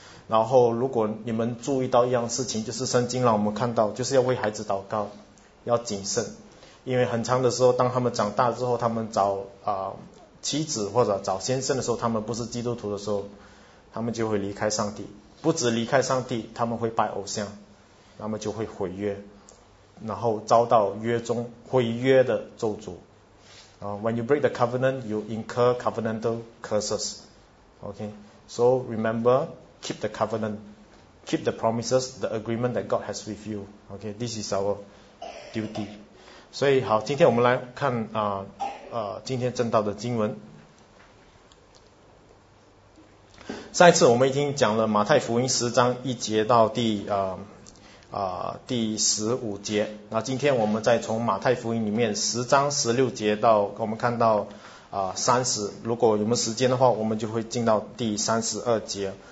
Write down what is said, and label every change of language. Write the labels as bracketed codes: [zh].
[zh] 然后如果你们注意到一样事情，就是圣经让我们看到，就是要为孩子祷告，要谨慎，因为很长的时候，当他们长大之后，他们找妻子或者找先生的时候，他们不是基督徒的时候，他们就会离开上帝。不止离开上帝，他们会拜偶像，那么就会毁约，然后遭到约中毁约的咒诅。 [en] When you break the covenant, you incur covenantal curses. Okay, so remember, keep the covenant, keep the promises, the agreement that God has with you. Okay, this is our duty. [zh] 所以好，今天我们来看今天正道的经文。上一次我们已经讲了马太福音10章1节到第15节，那今天我们再从马太福音里面10章16节到我们看到30，如果有没有时间的话，我们就会进到第32节。